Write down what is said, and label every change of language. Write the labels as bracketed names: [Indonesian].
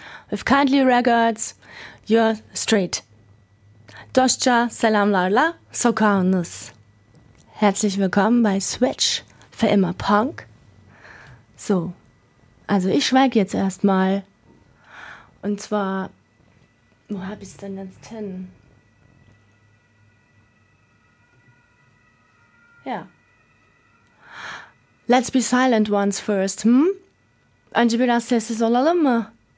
[English] With Kindly Records, your street. Doscha, salam lala, sokaunus. [German] Herzlich willkommen bei Switch, für immer Punk. So, also ich schweige jetzt erstmal. Und zwar, wo hab ich's denn jetzt hin? Ja. [English] Let's be silent once first, hm? [Turkish] Önce biraz sessiz olalım mı?